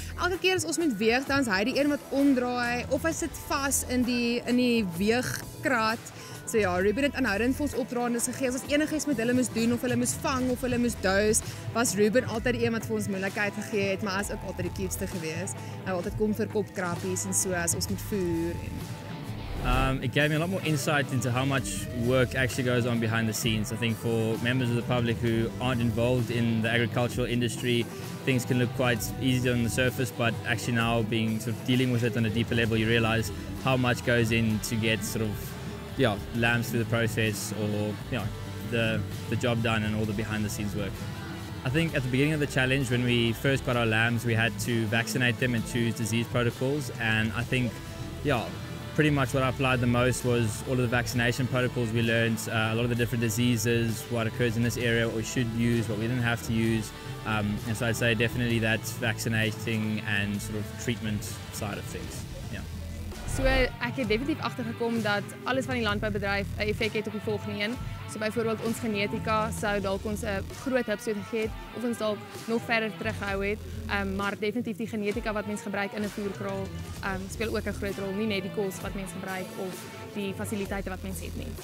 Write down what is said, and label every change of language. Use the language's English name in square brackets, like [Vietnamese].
[Afrikaans] Elke keer as ons moet weeg, dan is hy die een wat omdraai, of hy sit vas in die weegkrat. So ja, Ruben het aanhoudend vir ons opdraandes gegee. As ons enigiets met hulle moes doen, of hulle moes vang, of hulle moes douse, was Ruben altyd die een wat vir ons moeilikheid gegee het, maar hy is ook altyd die cutest gewees. Hy altyd kom vir kopkrappies en so as ons moet voer. [English] It gave me a lot more insight into how much work actually goes on behind the scenes. I think for members of the public who aren't involved in the agricultural industry, things can look quite easy on the surface, but actually now being sort of dealing with it on a deeper level, you realize how much goes in to get sort of lambs through the process, or the job done and all the behind the scenes work. I think at the beginning of the challenge, when we first got our lambs, we had to vaccinate them and choose disease protocols, and I think pretty much what I applied the most was all of the vaccination protocols we learned, a lot of the different diseases, what occurs in this area, what we should use, what we didn't have to use. And so I'd say definitely that vaccinating and sort of treatment side of things. Yeah. [Afrikaans] So ek het definitief agtergekom dat alles van die landboubedryf 'n effek het op die volgende een. So byvoorbeeld ons genetika sou dalk ons 'n groot hupsoot gegee het, of ons dalk nog verder teruggehou het. Maar definitief die genetika wat mens gebruik in 'n voerkraal speel ook 'n groot rol, nie net die kos wat mens gebruik of die fasiliteite wat mens het nie.